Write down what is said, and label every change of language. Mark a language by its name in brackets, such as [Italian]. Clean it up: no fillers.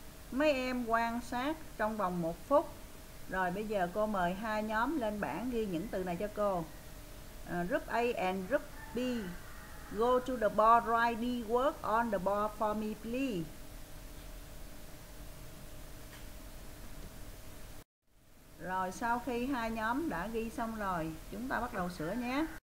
[Vietnamese] Mấy em quan sát trong vòng 1 phút. Rồi bây giờ cô mời hai nhóm lên bảng ghi những từ này cho cô. [English] Group A and Group B, go to the board right, đi work on the board for me please. [Vietnamese] Rồi sau khi hai nhóm đã ghi xong rồi, chúng ta bắt đầu sửa nhé.